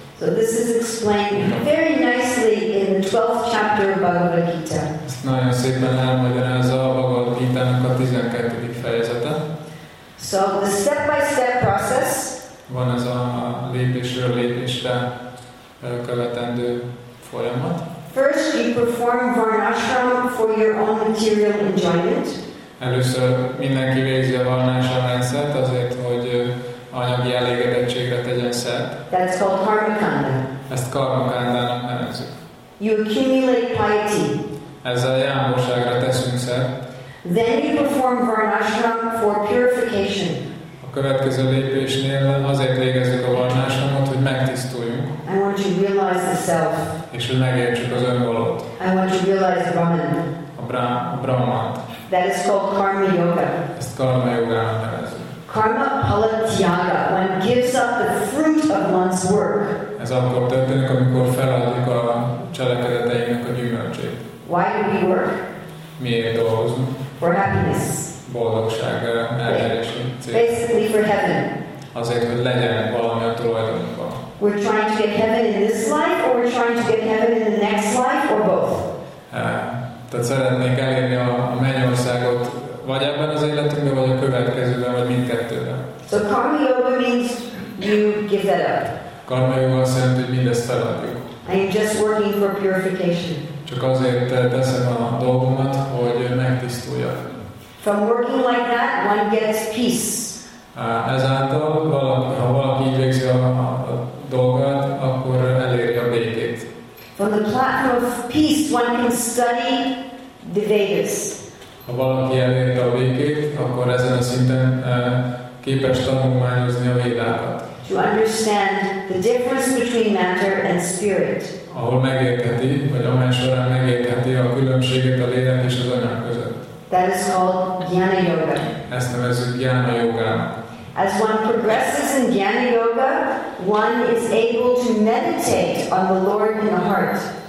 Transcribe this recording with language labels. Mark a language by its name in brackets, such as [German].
[English] So this is explained very nicely in the 12th chapter of Bhagavad Gita. [Hungarian] Ezt nagyon szépen elmagyarázza a Bhagavad Gita-nak a 12. fejezete. [English] So the step-by-step process. [Hungarian] Van ez a lépésről lépésre követendő folyamat. [English] First you perform varnashram for your own material enjoyment. [Hungarian] Először mindenki végzi a varnásra rendszert azért, hogy anyagi elégedettségre tegyen szert. [English] That's called karmakanda. [Hungarian] Ezt karmakandának nevezzük. [English] You accumulate piety. [Hungarian] Ezzel jámborságra teszünk szert. [English] Then you perform varnashram for purification. [Hungarian] A következő lépésnél azért végezzük a varnashramot, hogy megtisztuljunk. [English] I want you to realize the self. [Hungarian] És hogy megértsük az önvalót. [English] I want you to realize Brahman. [Hungarian] A Brahmant. [English] That is called karma yoga. [Hungarian] Ezt karma yoga-nak nevezzük. [English] Karma phala tyaga, when one gives up the fruit of one's work. [Hungarian] Ez akkor történik, amikor feladjuk a cselekedeteinek a gyümölcsét. [English] Why do we work? [Hungarian] Miért dolgozunk? [English] For happiness. [Hungarian] Boldogság elérésén cél. [English] Basically for heaven. [Hungarian] Azért, hogy legyen valami a tulajdonunkban. [English] We're trying to get heaven in this life, or we're trying to get heaven in the next life, or both. [Hungarian] Tehát szeretnék elérni a mennyországot, vagy ebben az életünkben, vagy a következőben, vagy mindkettőben. [English] So karma yoga means you give that up. [Hungarian] Karma yoga azt jelenti, hogy mindezt feladjuk. [English] I'm just working for purification. [Hungarian] Csak azért teszem a dolgomat, hogy megtisztuljak. [English] From working like that, one gets peace. [Hungarian] Ezáltal, ha valaki így végzi a dolgát, akkor eléri a békét. [English] From the platform of peace, one can study the Vedas. [Hungarian] Ha valaki elérte a végét, akkor ezen a szinten képes tanulmányozni a Védákat. [English] To understand the difference between matter and spirit. [Hungarian] Ahol megértheti, vagy amely során megértheti a különbséget a lélek és az anyag között. [English] That is called Jnana Yoga. [Hungarian] Ezt nevezzük Jnana Yogának. [English] As one progresses in Jnana Yoga, one is able to meditate on the Lord in the heart.